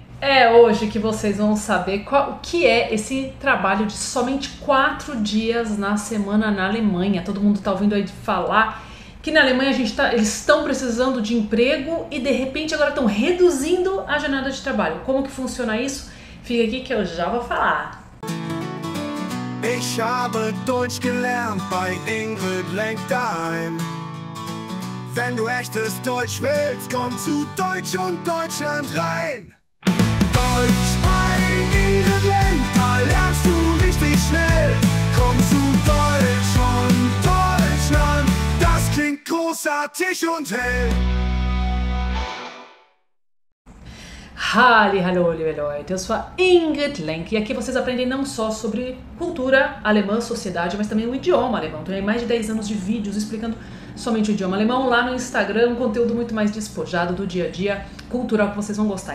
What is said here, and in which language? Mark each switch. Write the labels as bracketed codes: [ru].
[pt] É hoje que vocês vão saber qual que é esse trabalho de somente 4 dias na semana na Alemanha. Todo mundo tá ouvindo aí falar que na Alemanha eles estão precisando de emprego e de repente agora estão reduzindo a jornada de trabalho. Como que funciona isso? Fica aqui que eu já vou falar. [de] Ich habe Deutsch gelernt bei Ingrid Lenkheim. Wenn du echtes Deutsch willst, komm zu Deutsch und Deutschland rein. Deutsch bei Ingrid Lenkheim lernst du richtig schnell. Komm zu Deutsch und Deutschland, das klingt großartig und hell. Halli, hallo, liebe Leute, [pt] eu sou a Ingrid Lenk e aqui vocês aprendem não só sobre cultura alemã, sociedade, mas também o idioma alemão. Tenho mais de 10 anos de vídeos explicando somente o idioma alemão lá no Instagram, um conteúdo muito mais despojado do dia a dia cultural que vocês vão gostar.